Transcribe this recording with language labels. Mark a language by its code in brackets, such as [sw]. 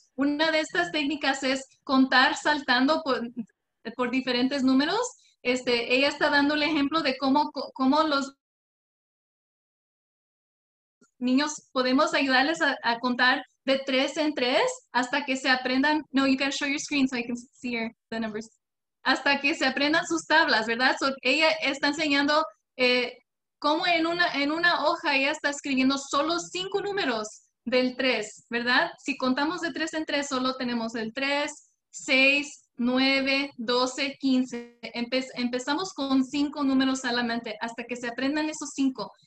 [es] Una de estas técnicas es contar saltando por diferentes números. Ella está dando el ejemplo de cómo los niños podemos ayudarles a contar de tres en tres hasta que se aprendan. [en] No, you gotta show your screen so I can see the numbers. [es] Hasta que se aprendan sus tablas, ¿verdad? So ella está enseñando cómo en una hoja ella está escribiendo solo 5 números del 3, ¿verdad? Si contamos de tres en tres, solo tenemos el 3, 6, 9, 12, 15. Empezamos con 5 números solamente hasta que se aprendan esos 5.